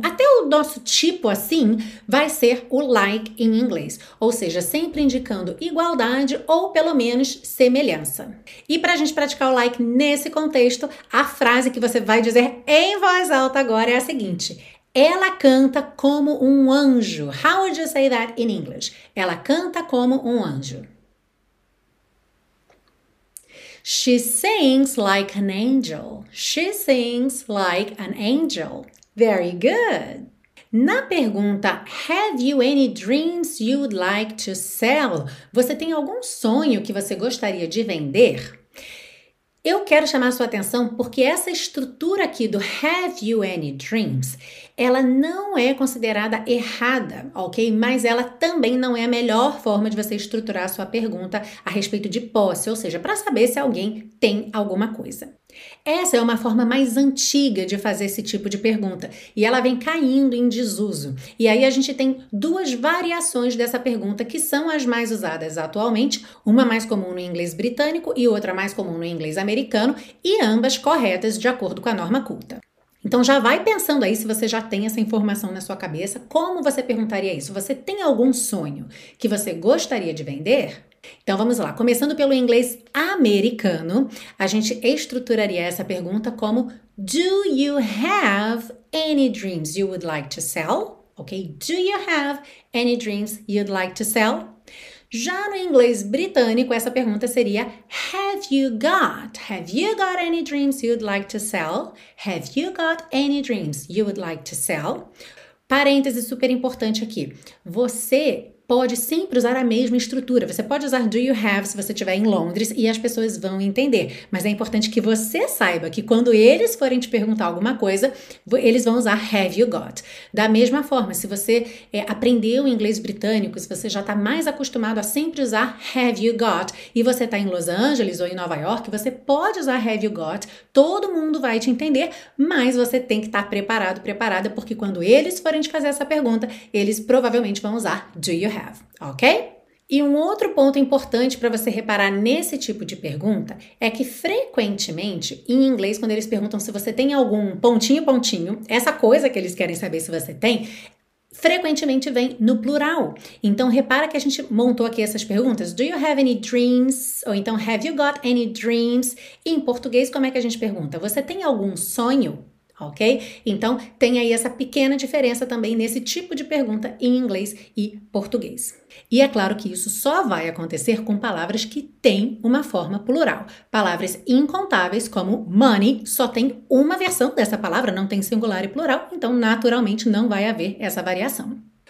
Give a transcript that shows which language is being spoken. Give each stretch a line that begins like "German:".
Portuguese: Até o nosso tipo assim vai ser o like em inglês. Ou seja, sempre indicando igualdade ou, pelo menos, semelhança. E para a gente praticar o like nesse contexto, a frase que você vai dizer em voz alta agora é a seguinte. Ela canta como um anjo.
English: How would you say that in English?
Portuguese: Ela canta como um anjo.
English: She sings like an angel. She sings like an angel. Very good.
Portuguese: Na pergunta,
English: have you any dreams you'd like to sell?
Portuguese: Você tem algum sonho que você gostaria de vender? Eu quero chamar a sua atenção porque essa estrutura aqui do have you any dreams, ela não é considerada errada, ok? Mas ela também não é a melhor forma de você estruturar a sua pergunta a respeito de posse, ou seja, para saber se alguém tem alguma coisa. Essa é uma forma mais antiga de fazer esse tipo de pergunta e ela vem caindo em desuso. E aí a gente tem duas variações dessa pergunta que são as mais usadas atualmente, uma mais comum no inglês britânico e outra mais comum no inglês americano, e ambas corretas de acordo com a norma culta. Então já vai pensando aí se você já tem essa informação na sua cabeça, como você perguntaria isso? Você tem algum sonho que você gostaria de vender? Então vamos lá, começando pelo inglês americano, a gente estruturaria essa pergunta como
English: Do you have any dreams you would like to sell?
Portuguese: Ok?
English: Do you have any dreams you'd like to sell?
Portuguese: Já no inglês britânico, essa pergunta seria
English: Have you got any dreams you'd like to sell? Have you got any dreams you would like to sell?
Portuguese: Parênteses super importante aqui. Você pode sempre usar a mesma estrutura. Você pode usar do you have se você estiver em Londres e as pessoas vão entender. Mas é importante que você saiba que quando eles forem te perguntar alguma coisa, eles vão usar have you got. Da mesma forma, se você aprendeu o inglês britânico, se você já está mais acostumado a sempre usar have you got e você está em Los Angeles ou em Nova York, você pode usar have you got, todo mundo vai te entender, mas você tem que estar preparado, preparada, porque quando eles forem te fazer essa pergunta, eles provavelmente vão usar do you have. Ok? E um outro ponto importante para você reparar nesse tipo de pergunta é que frequentemente, em inglês, quando eles perguntam se você tem algum pontinho, pontinho, essa coisa que eles querem saber se você tem, frequentemente vem no plural. Então, repara que a gente montou aqui essas perguntas.
English: Do you have any dreams?
Portuguese: Ou então,
English: have you got any dreams?
Portuguese: E em português, como é que a gente pergunta? Você tem algum sonho? Ok? Então, tem aí essa pequena diferença também nesse tipo de pergunta em inglês e português. E é claro que isso só vai acontecer com palavras que têm uma forma plural. Palavras incontáveis como money só tem uma versão dessa palavra, não tem singular e plural, então naturalmente não vai haver essa variação.